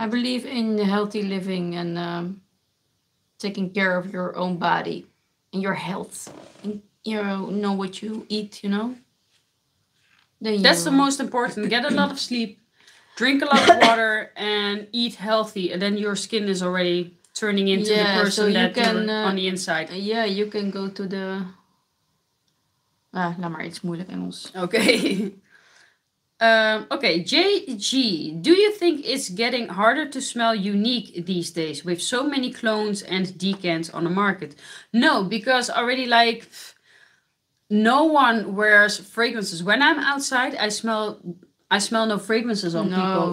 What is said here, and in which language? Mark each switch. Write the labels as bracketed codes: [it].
[en] I believe in healthy living and taking care of your own body and your health, and you know what you eat, you know. That's the most important. Get a lot of sleep, drink a lot of water, and eat healthy, and then your skin is already turning into the person so that you're on the inside. Yeah, you can go to the... [nl] Laat maar iets moeilijk Engels. Oké. [en] Okay, JG, do you think it's getting harder to smell unique these days with so many clones and decants on the market? No, because already like no one wears fragrances. When I'm outside, I smell no fragrances on people.